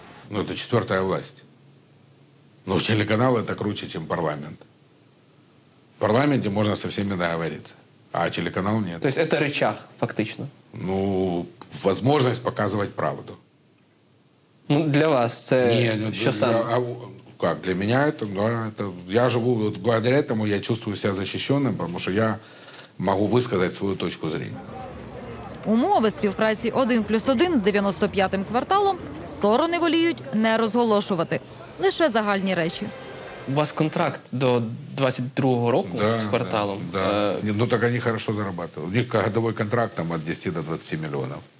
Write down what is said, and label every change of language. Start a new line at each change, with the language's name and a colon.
Ukrainian: Ну, це четверта власть. Ну, телеканали – це круче, ніж парламент. В парламенті можна зі всіми договоритися, а телеканал – ні. Тобто це рычаг, фактично? Ну, можливість показувати правду. Ну, для вас це що саме?
Russian: Как для меня это, да, это я живу вот благодаря этому, я чувствую себя защищенным, потому что я могу высказать свою точку зрения.
Ukrainian: Умови співпраці 1+1 з 95-м кварталом сторони воліють не розголошувати, лише загальні речі. У вас контракт до 22-го року,
Russian: да,
Ukrainian: з кварталом.
Russian: Да, да. Ну так вони хорошо зарабатывают.
Ukrainian: У них годовий контракт там від 10 до 20 мільйонів.